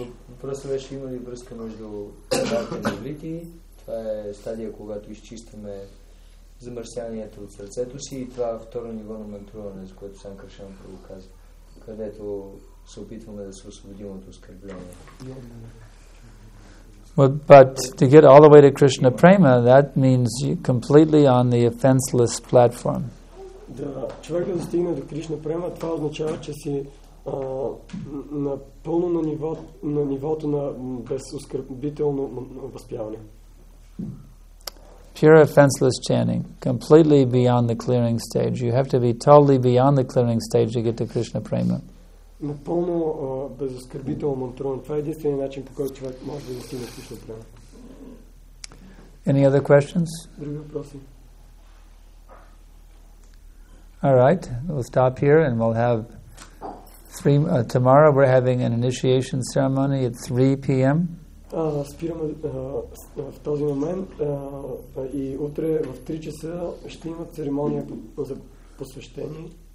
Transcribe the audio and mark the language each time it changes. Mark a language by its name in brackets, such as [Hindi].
[Bulgarian] Въпросът беше има ли връзка между анартха нивритти, това е стадия, когато изчистваме замърсяванията от сърцето си, и това второ ниво на мантруване, за което сам Кришна Прабху каза, където се опитваме да се освободим от оскърбление. [English] Well, but to get all the way to Krishna Prema, that means you're completely on the offenseless platform. [Bulgarian] да, човек да достигне до Кришна према, това означава, че си напълно на, ниво, на нивото на безоскърбително възпяване. [English] Pure offenseless chanting, completely beyond the clearing stage. You have to be totally beyond the clearing stage to get to Krishna prema. [Bulgarian] Напълно безоскърбително мантруване. Това е единственият начин, по който човек може да достигне Кришна према. [English] Any other questions? [Bulgarian] Други въпроси? [English] All right, we'll stop here and we'll have three, tomorrow we're having an initiation ceremony at 3 p.m. [Bulgarian] Спираме в този момент и утре в 3 часа ще има церемония за посвещение.